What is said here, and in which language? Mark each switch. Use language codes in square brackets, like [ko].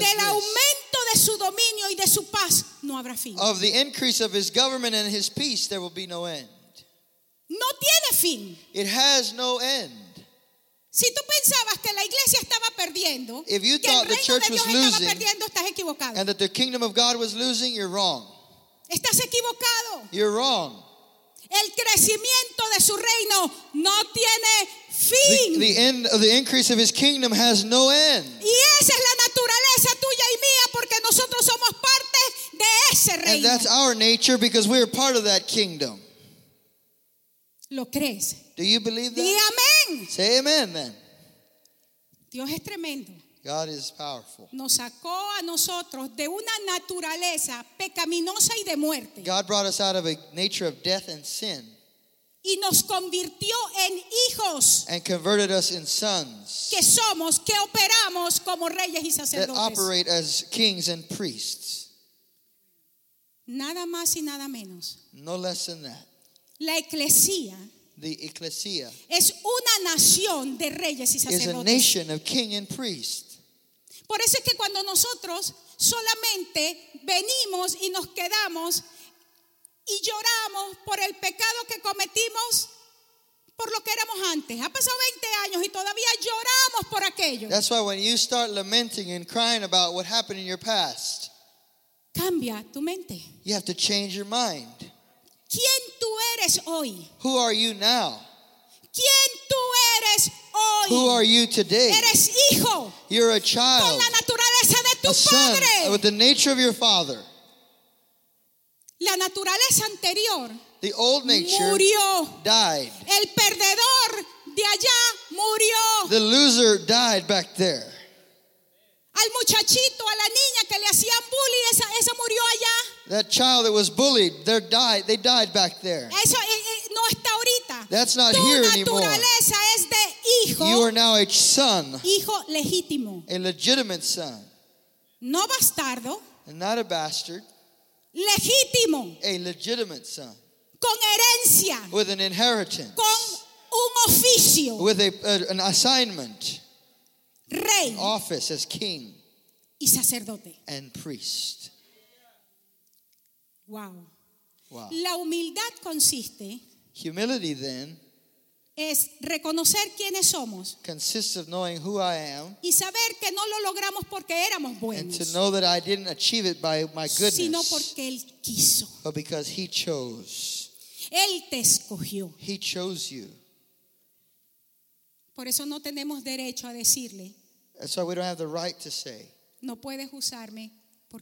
[es] del aumento de su dominio y de su paz no habrá fin. [en] Of the increase of his government and his peace there will be no end. [es] No tiene fin. [en] It has no end. [es] Si tú pensabas que la iglesia estaba perdiendo, [en] if you [es] que [en] thought [es] el reino [en] the church was losing, [es] estás equivocado. [en] And that the kingdom of God was losing, you're wrong. [es] Estás equivocado. [en] You're wrong. [es] El crecimiento de su reino no tiene fin. [en] The end of the increase of his kingdom has no end. [es] Y esa es la naturaleza tuya y mía porque nosotros somos parte de ese reino. [en] And that's our nature because we are part of that kingdom. [es] ¿Lo crees? [en] Do you believe that? [es] Di amén. [en] Say amen then. [es] Dios es tremendo. [en] God is powerful. [es] Nos sacó a nosotros de una naturaleza pecaminosa y de muerte. [en] God brought us out of a nature of death and sin. [es] Y nos convirtió en hijos. [en] And converted us in sons. [es] Que somos, que operamos como reyes y sacerdotes. [en] That operate as kings and priests. [es] Nada más y nada menos. [en] No less than that. [es] La eclesía. [en] The ecclesia [es] es una nación de reyes y sacerdotes. [en] Is a nation of king and priest. [es] Por eso es que cuando nosotros solamente venimos y nos quedamos y lloramos por el pecado que cometimos por lo que éramos antes. Ha pasado 20 años y todavía lloramos por aquello. [en] That's why when you start lamenting and crying about what happened in your past, [es] cambia tu mente. [en] You have to change your mind. [es] ¿Quién tú eres hoy? [en] Who are you now? [es] ¿Quién tú eres hoy? [en] Who are you today? [es] Eres hijo. [en] You're a child. [es] Con la naturaleza de tu [en] a son, [es] padre. [en] With the nature of your father. [es] La naturaleza anterior. [en] The old nature [es] murió. [en] Died. [es] El perdedor de allá murió. [en] The loser died back there. [es] Al muchachito, a la niña que le hacían bullying, esa murió allá. [en] That child that was bullied, they died back there. [es] Eso no está ahorita. [en] That's not here anymore. [es] Tu naturaleza es de hijo. [en] You are now a son. [es] Hijo legítimo. [en] A legitimate son. [es] No bastardo. [en] And not a bastard. [es] Legítimo. [en] A legitimate son. [es] Con herencia. [en] With an inheritance. [es] Con un oficio. [en] With an assignment. [es] Rey. [en] An office as king. [es] Y sacerdote. [en] And priest. Wow. Wow. [es] La humildad consiste. [en] Humility then. [es] Es reconocer quiénes somos. [en] Consists of knowing who I am. [es] Y saber que no lo logramos porque éramos buenos. [en] And to know that I didn't achieve it by my goodness. [es] Sino porque él quiso. [en] But because he chose. [es] Él te escogió. [en] He chose you. [es] Por eso no tenemos derecho a decirle. [en] That's why we don't have the right to say. [es] No puedes usarme. Porque